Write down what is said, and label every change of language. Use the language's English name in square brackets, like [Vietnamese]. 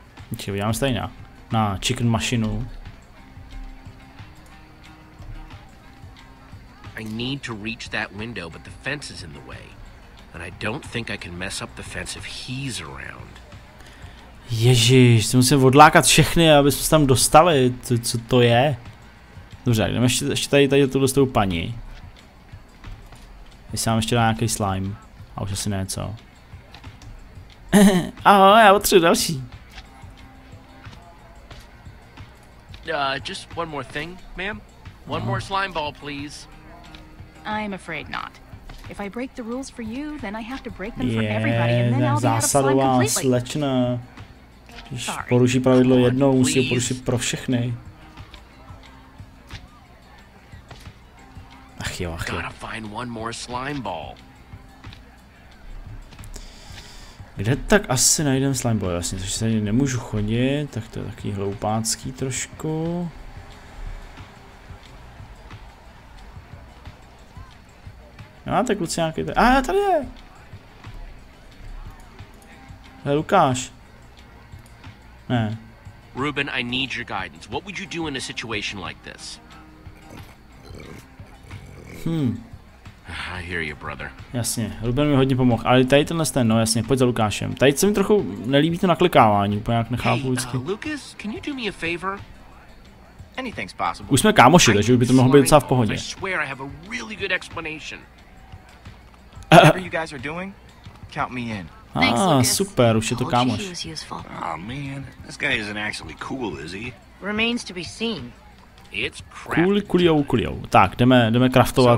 [Czech] Ještě vidíme stejně. Na chicken mašinu. [English] I need to reach that window, but the fence is in the way. And I don't think I can mess up the fence if he's around. [Czech] Ježiš, si musím odlákat všechny, aby jsme se tam dostali, co to je. Dobře, jdeme ještě tady tuhle s tou paní. Jestli mám ještě dá nějaký slime. A už asi něco. Ahoj, já potřebuji další. [English] Just one more thing, ma'am. One more slime ball, please. I'm afraid not. If I break the rules for you, then I have to break them for everybody, and then I'll be out of slime completely. Sorry. [Czech] Poruší pravidlo jednou, musí ho porušit pro všechny. Ach jo, ach jo. [English] Gotta find one more slime ball. [Czech] Kde tak asi najdem slime ball? Vlastně, takže se nemůžu chodit, tak to je taky hloupácký trošku. Máte kluci nějaký tady? Ah, tady je! Hej, Lukáš. Ne. [English] Ruben, I need your guidance. What would you do in a situation like this? I hear you, brother. [Czech] Jasně, Ruben mi hodně pomohl. Ale tady tenhle ten, no jasně, pojď za Lukášem. Tady se mi trochu nelíbí to naklikávání, úplně jak nechápu vždycky. [English] Lucas, can you do me a favor? Anything's possible. [Czech] Už jsme kámoši, takže by to mohlo být docela v pohodě. [English] I swear I have a really good explanation. Whatever you guys are doing, count me in. [Czech] Super, už je to kámoš. [English] Oh man, this guy isn't actually cool, is he? Remains to be seen. It's crafting. [Czech] Kulio. Tak, jdeme kraftovat.